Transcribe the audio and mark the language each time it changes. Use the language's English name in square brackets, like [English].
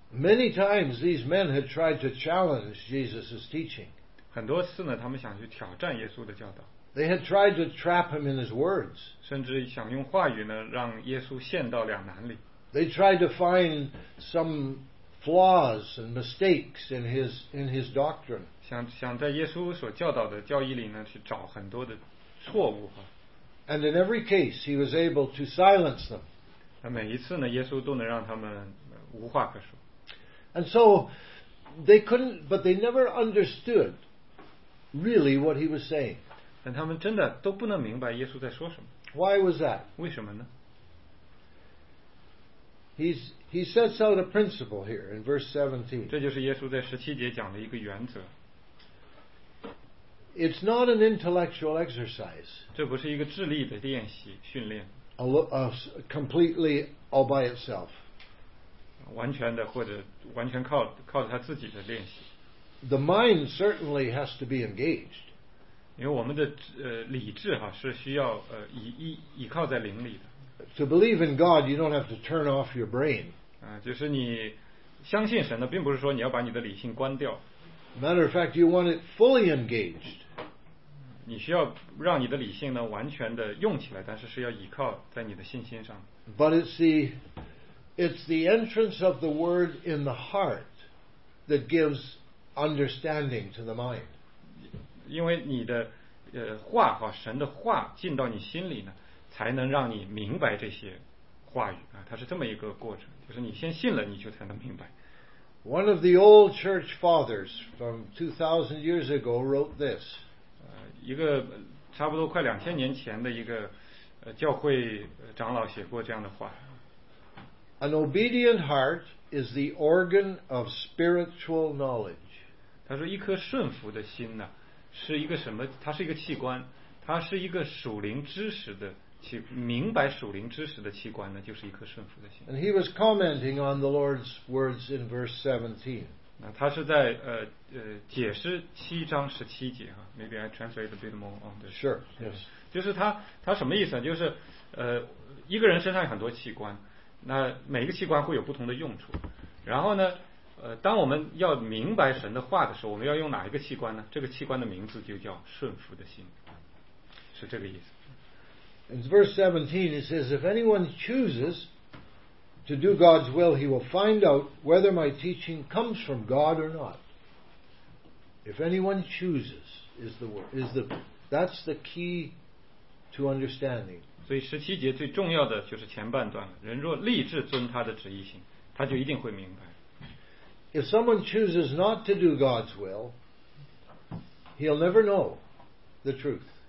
[English] Many times these men had tried to challenge Jesus' teaching. [Chinese] 很多次呢，他们想去挑战耶稣的教导。 [English] They had tried to trap him in his words. [Chinese] 甚至想用话语呢，让耶稣陷到两难里。 [English] They tried to find some flaws and mistakes in his doctrine. [Chinese] 想在耶稣所教导的教义里呢，去找很多的错误哈。 [English] And in every case, he was able to silence them. [Chinese] 每一次呢，耶稣都能让他们无话可说。 [English] And so they couldn't, but they never understood really what he was saying. [Chinese] 但他们真的都不能明白耶稣在说什么。 [English] Why was that? [Chinese] 为什么呢？ [English] He sets out a principle here in verse 17. [Chinese] 这就是耶稣在十七节讲的一个原则。 [English] It's not an intellectual exercise. [Chinese] 这不是一个智力的练习训练。 [English] Completely all by itself. [Chinese] 完全的或者完全靠着他自己的练习。 [English] The mind certainly has to be engaged. [Chinese] 因为我们的理智哈是需要依靠在灵里的。 [English] To believe in God, you don't have to turn off your brain. [Chinese] 就是你相信神呢，并不是说你要把你的理性关掉。 [English] Matter of fact, you want it fully engaged. [Chinese] 你需要让你的理性呢完全的用起来，但是是要依靠在你的信心上。 [English] But it's the entrance of the word in the heart that gives understanding to the mind. [Chinese] 因为你的话和神的话进到你心里呢，才能让你明白这些话语啊。它是这么一个过程，就是你先信了，你就才能明白。 [English] One of the old church fathers from 2,000 years ago wrote this. [Chinese] 一个差不多快两千年前的一个教会长老写过这样的话。 [English] An obedient heart is the organ of spiritual knowledge. [Chinese] 他说一颗顺服的心呢。是一个什么？它是一个器官，它是一个属灵知识的器，明白属灵知识的器官呢，就是一颗顺服的心。 [English] And he was commenting on the Lord's words in verse 17. [Chinese] 那他是在解释七章十七节哈。 [English] Maybe I translate a bit more on this. Sure. Yes. [Chinese] 就是他什么意思呢？就是一个人身上有很多器官，那每个器官会有不同的用处，然后呢？当我们要明白神的话的时候，我们要用哪一个器官呢？这个器官的名字就叫顺服的心，是这个意思。 [English] In verse 17, it says, "If anyone chooses to do God's will, he will find out whether my teaching comes from God or not." If anyone chooses, that's the key to understanding. [Chinese] 所以十七节最重要的就是前半段了。人若立志遵他的旨意行，他就一定会明白。 [English] If someone chooses not to do God's will, he'll never know the truth.